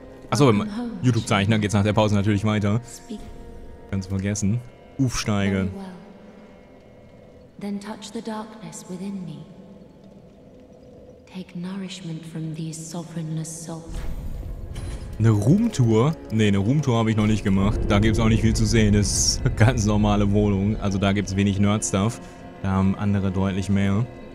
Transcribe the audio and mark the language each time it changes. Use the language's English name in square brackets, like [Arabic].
[German] Achso, wenn man YouTube zeigt, dann geht's nach der Pause natürlich weiter. Ganz vergessen. Aufsteige. [English] Then touch the darkness within me. Take nourishment from these sovereignless souls. [German] Eine Roomtour? Ne, eine Roomtour habe ich noch nicht gemacht. Da gibt's auch nicht viel zu sehen. Das ist eine ganz normale Wohnung. Also da gibt's wenig Nerd-Stuff. Da haben andere deutlich mehr.